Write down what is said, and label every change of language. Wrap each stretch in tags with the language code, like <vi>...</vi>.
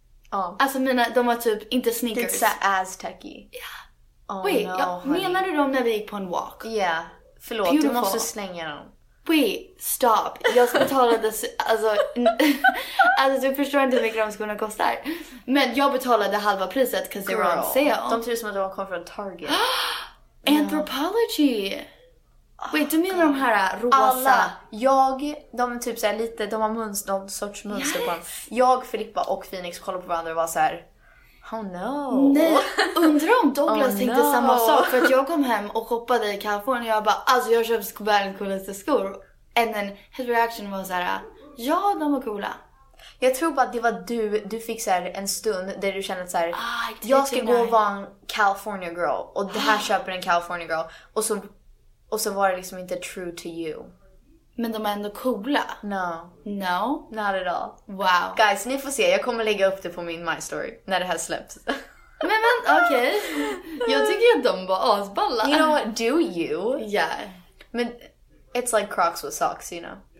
<sv>Ja.</sv> <en>Oh.</en> <sv>Alltså mina, de var typ inte sneakers. Det är så aztec-y. Ja.</sv> <en>Oh, wait, no,</en> <sv>menar du dem när vi gick på en walk? Ja,</sv> <en>yeah.</en> <sv>Förlåt, beautiful. Du måste slänga dem.</sv> <en>Wait, stop.</en> <sv>Jag ska betala det. Alltså, du förstår inte hur mycket de skorna kostar. Men jag betalade halva priset</sv> <en>because they were on sale.</en> <sv>De tror som att de kom från Target. Anthropology.</sv> <en>Wait,</en> <sv>du menar de här rosa? Alla. Jag, de är typ såhär lite, de har mönster, någon sorts mönster på dem. Jag, Filippa och Phoenix kollade på varandra och var så här.</sv> <en>Oh no.</en> <sv>Nej, undrar om Douglas tänkte samma sak. För att jag kom hem och hoppade i Kalifornien och jag bara, alltså jag köpte världens coolaste skor.</sv> <en>And then his reaction</en> <sv>var såhär, ja, de var coola. Jag tror bara att det var du, du fick såhär en stund där du kände såhär, jag ska gå och vara en California girl. Och det här köper en California girl. Och så var det liksom inte</sv> <en>true to you.</en> <sv>Men de är ändå coola.</sv> <en>No. No? Not at all. Wow. Guys,</en> <sv>ni får se. Jag kommer lägga upp det på min My Story när det här släpps. Men, okej.</sv> <en>Okay.</en> <sv>Jag tycker att de var asballa.</sv> <en>You know what? Do you? Yeah.</en> <sv>Men,</sv> <en>it's like Crocs with socks, you know?</en>